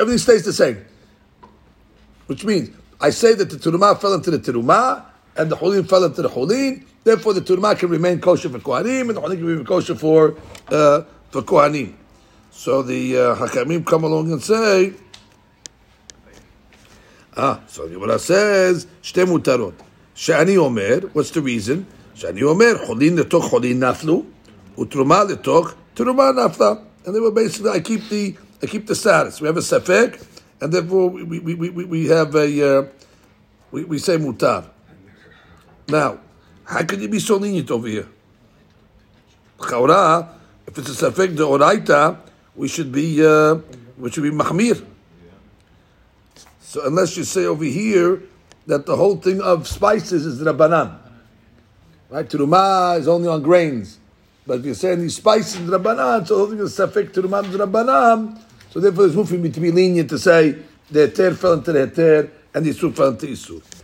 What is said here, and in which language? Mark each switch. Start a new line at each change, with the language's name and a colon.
English: Everything stays the same, which means I say that the teruma fell into the teruma and the cholim fell into the cholim. Therefore, the teruma can remain kosher for kohanim, and the cholim can remain kosher for kohanim. So the hakamim come along and say, so the Gemara says shtei mutarot.
Hebrew: She'ani omer,
English: what's the reason?
Hebrew: שאני אומר, חולין לתוך חולין נפלו, ותרומה לתוך תרומה נפלה.
English: And they were basically, I keep the status. We have a ספק, and therefore we say מותר. Now, how could you be so lenient over here? בחורה, if it's a ספק דאורייתא, we should be מחמיר. So unless you say over here that the whole thing of spices is רבנן. Right, teruma is only on grains, but if you say any spices, rabbanan, so holding a safek teruma is rabbanan. So therefore, it's moving me to be lenient to say the heter fell into the heter and the isur fell into isur.